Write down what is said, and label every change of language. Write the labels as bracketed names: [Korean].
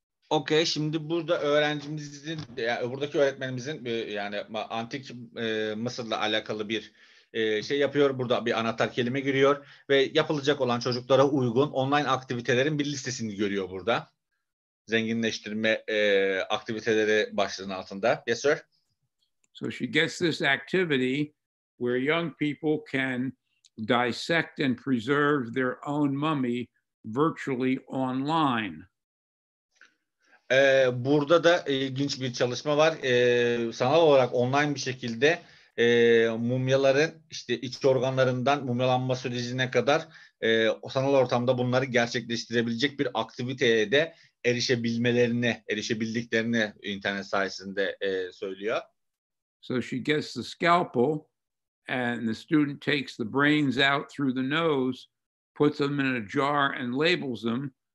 [Turkish] Okay, şimdi burada öğrencimizin, yani buradaki öğretmenimizin yani antik Mısır'la alakalı bir şey yapıyor. Burada bir anahtar kelime giriyor ve yapılacak olan çocuklara uygun online aktivitelerin bir listesini görüyor burada. Zenginleştirme aktiviteleri başlığının altında. [English] Yes, sir. So she gets this activity where young people can dissect and preserve their own mummy virtually online. [Turkish] Burada da ilginç bir çalışma var. Sanal olarak online bir şekilde mumyaların işte iç organlarından mumyalanma sürecine kadar sanal ortamda bunları gerçekleştirebilecek bir aktiviteye de erişebildiklerini internet sayesinde söylüyor. [English] So she gets the scalpel and the student takes the brains out through the nose, puts them in a jar and labels them.